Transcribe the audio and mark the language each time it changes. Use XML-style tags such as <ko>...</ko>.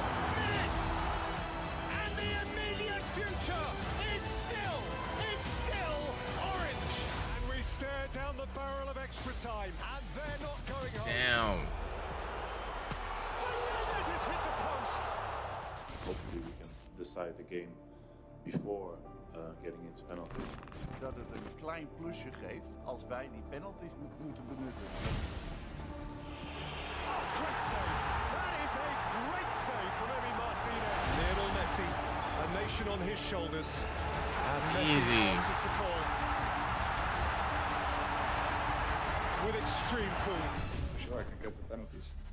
<en>And the immediate future is still orange. And we stared down the barrel of extra time, and they're not going home. Damn. Fernandez has hit the post. Hopefully we can decide the game before getting into penalties.</en> <nl>Dat het een klein plusje geeft als wij die penalties moeten benutten.</nl> <en>Oh, great save. That is a great save from Emi Martinez. Lionel Messi, a nation on his shoulders. And Messi answers the call. With extreme cool. Sure, I can get the penalties.</en>